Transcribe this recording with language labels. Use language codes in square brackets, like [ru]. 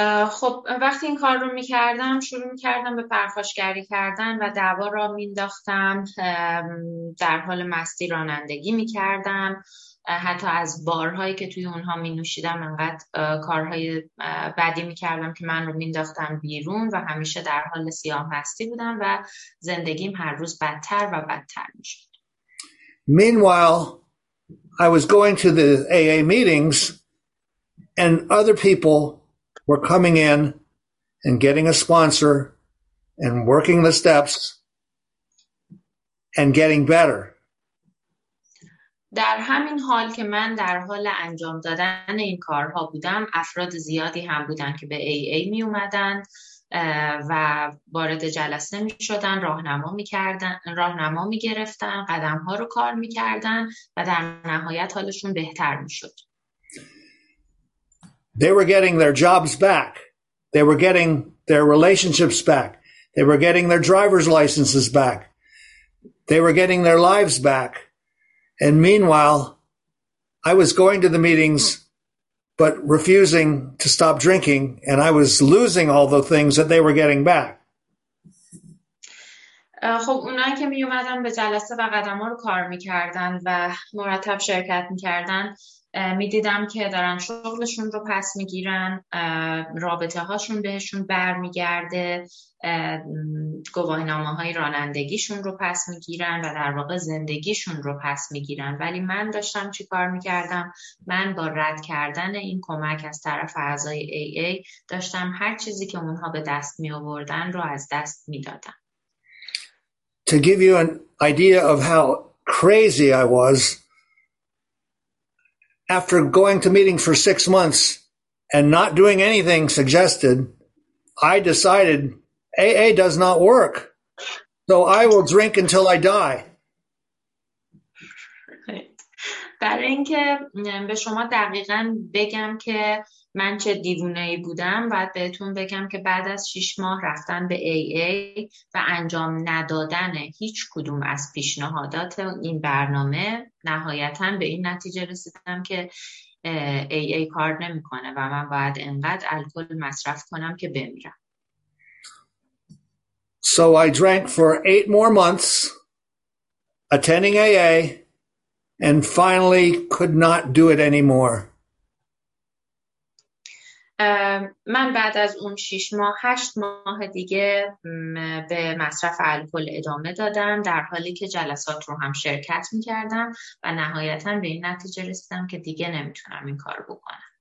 [fa] خب وقتی این کار رو میکردم شروع میکردم به پرخاشگری کردن و دعوا را مینداختم، در حال مستی رانندگی میکردم، حتی از بارهایی که توی اونها مینوشیدم انقدر کارهای بدی میکردم که من رو مینداختم بیرون و همیشه در حال سیاه مستی بودم و زندگیم هر روز بدتر و بدتر میشد. [en] Meanwhile, I was going to the AA meetings and other people were coming in and getting a sponsor and working the steps and getting better. [fa] در همین حال که من در حال انجام دادن این کارها بودم، افراد زیادی هم بودند که به AA می اومدند و وارد جلسه می شدند، راهنما می گرفتند، قدم ها رو کار می کردند و در نهایت حالشون بهتر می شد. [en] They were getting their jobs back. They were getting their relationships back. They were getting their driver's licenses back. They were getting their lives back. And meanwhile, I was going to the meetings, but refusing to stop drinking, and I was losing all the things that they were getting back. [fa] خب اونایی که می اومدن به جلسه و قدم ها رو کار می کردن و مرتب شرکت می کردن، می دیدم که دارن شغلشون رو پس می گیرن، رابطه هاشون بهشون بر می گرده، گواهنامه های رانندگیشون رو پس می گیرن و در واقع زندگیشون رو پس می گیرن. ولی من داشتم چی کار می کردم؟ من با رد کردن این کمک از طرف اعضای AA داشتم هر چیزی که اونها به دست می آوردن رو از دست می دادم. [en] To give you an idea of how crazy I was, after going to meetings for 6 months and not doing anything suggested, I decided AA does not work, so I will drink until I die. [fa] برای اینکه به شما دقیقا بگم که من چه دیوونه‌ای بودم، باید بهتون بگم که بعد از 6 ماه رفتن به AA و انجام ندادن هیچ کدوم از پیشنهادات این برنامه، نهایتا به این نتیجه رسیدم که AA کار نمی‌کنه و من باید انقدر الکل مصرف کنم که بمیرم. [en] So I drank for 8 more months attending AA and finally could not do it anymore. [fa] من بعد از اون 6 ماه 8 ماه دیگه به مصرف الکل ادامه دادم، در حالی که جلسات رو هم شرکت می‌کردم و نهایتاً به این نتیجه رسیدم که دیگه نمیتونم این کارو بکنم.